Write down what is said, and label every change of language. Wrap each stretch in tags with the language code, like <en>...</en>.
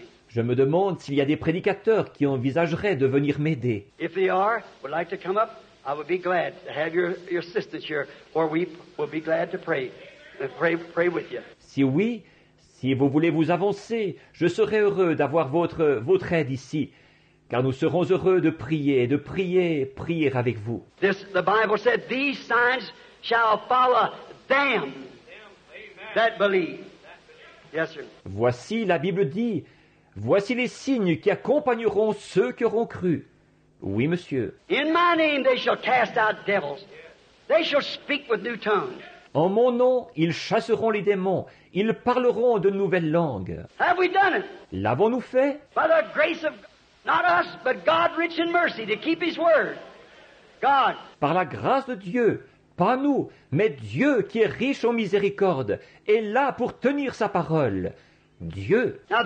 <fr>Je me demande s'il y a des prédicateurs qui envisageraient de venir m'aider.</fr> <en>If they are, would like to come up, I would be glad to have your assistance here, or we will be glad to pray with you.</en> <fr>Si oui, si vous voulez vous avancer, je serai heureux d'avoir votre aide ici. Car nous serons heureux de prier, prier avec vous.</fr> <en>The Bible said, these signs shall follow them that believe. Yes, sir.</en> <fr>Voici, la Bible dit, voici les signes qui accompagneront ceux qui auront cru. Oui, monsieur.</fr> <en>In my name they shall cast out devils. They shall speak with new tongues.</en> <fr>En mon nom, ils chasseront les démons. Ils parleront de nouvelles langues.</fr> <en>Have we done it?</en> <fr>L'avons-nous fait?</fr> <en>By the grace of not us, but God rich in mercy to keep His word. God.</en> <fr>Par la grâce de Dieu, Pas nous, mais Dieu qui est riche en miséricorde est là pour tenir sa parole. Dieu.</fr>